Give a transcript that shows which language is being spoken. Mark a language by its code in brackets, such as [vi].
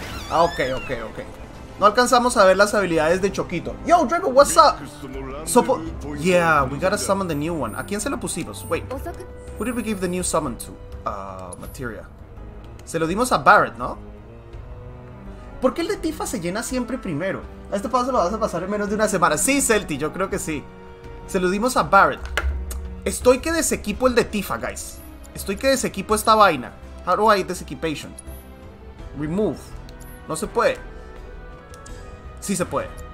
[es] Ok. No alcanzamos a ver las habilidades de Choquito. [en] Yo, Drago, what's up? Yeah, we gotta summon the new one. [es] ¿A quién se lo pusimos? [en] Wait, who did we give the new summon to? [es] Materia. Se lo dimos a Barret, ¿no? ¿Por qué el de Tifa se llena siempre primero? A este paso lo vas a pasar en menos de una semana. Sí, Celti, yo creo que sí. Se lo dimos a Barret. Estoy que desequipo el de Tifa, guys. Estoy que desequipo esta vaina. [en] How do I desequipation? Remove. [es] No se puede. Sí se puede.